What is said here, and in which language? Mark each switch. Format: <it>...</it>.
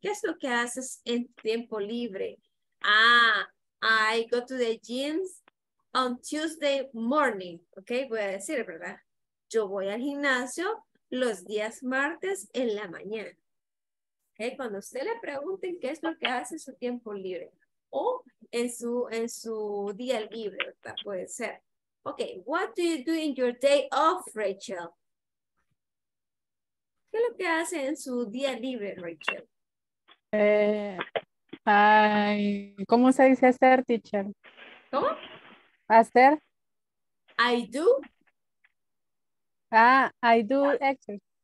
<es>¿Qué es lo que haces en tiempo libre?</es> <en>I go to the gym on Tuesday morning.</en> <es>¿Ok? Voy a decir, ¿verdad? Yo voy al gimnasio los días martes en la mañana. ¿Ok? Cuando usted le pregunten qué es lo que hace en su tiempo libre o en su día libre, ¿verdad? Puede ser.</es> <en>Ok, what do you do in your day off, Rachel?</en> <es>¿Qué es lo que hace en su día libre, Rachel? ¿Cómo se dice hacer, teacher? ¿Cómo? Hacer.</es> <en>I do. I do exercise.</en>